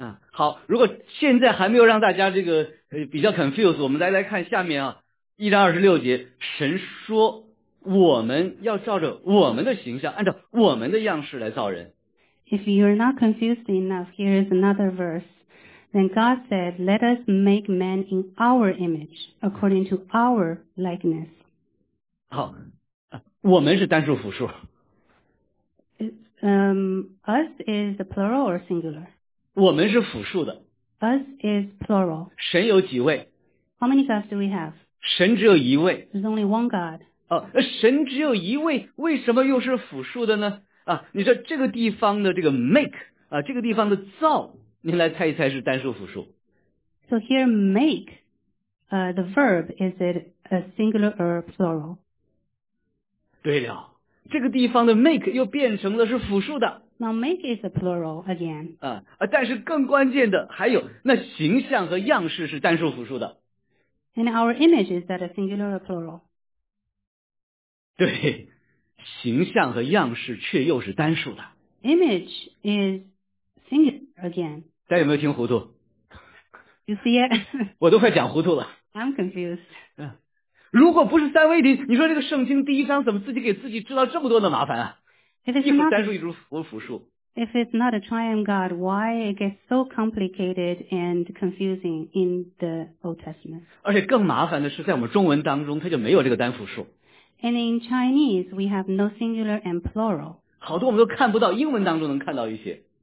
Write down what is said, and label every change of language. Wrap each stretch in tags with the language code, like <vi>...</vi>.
<zh>好，如果现在还没有让大家这个比较 confused, 我们来看下面啊，一章二十六节，神说我们要照着我们的形象，按照我们的样式来造人。</zh> <en>If you're not confused enough, here is another verse. Then God said, let us make man in our image, according to our likeness.</en> <zh>好，我们是单数复数。</zh> <en>Us is the plural or singular?</en> <zh>我们是复数的。</zh> <en>Us is plural.</en> <zh>神有几位？</zh> <en>How many gods do we have?</en> <zh>神只有一位。</zh> <en>There's only one God.</en> <zh>神只有一位，为什么又是复数的呢？啊，你说这个地方的这个 make, 啊，这个地方的造，您来猜一猜是单数复数。</zh> <en>So here make, the verb, is it a singular or plural?</en> <zh>对了，这个地方的 make 又变成了是复数的。</zh> <en>Now make is a plural again.</en> <zh>但是更关键的还有，那形象和样式是单数复数的。</zh> <en>And our image, is that a singular or plural?</en> <zh>对，形象和样式却又是单数的。</zh> <en>Image is singular again.</en> <zh>大家有没有听糊涂？</zh> <en>You see it?</en> <zh>我都快讲糊涂了。</zh> <en>I'm confused.</en> <zh>如果不是三位一体，你说这个圣经第一章怎么自己给自己制造这么多的麻烦啊？一夫三妻一如复数。</zh> <en>If it's not a triune God, why it gets so complicated and confusing in the Old Testament?</en> <zh>而且更麻烦的是，在我们中文当中，它就没有这个单复数。</zh> <en>And in Chinese, we have no singular and plural.</en> <zh>好多我们都看不到，英文当中能看到一些。</zh>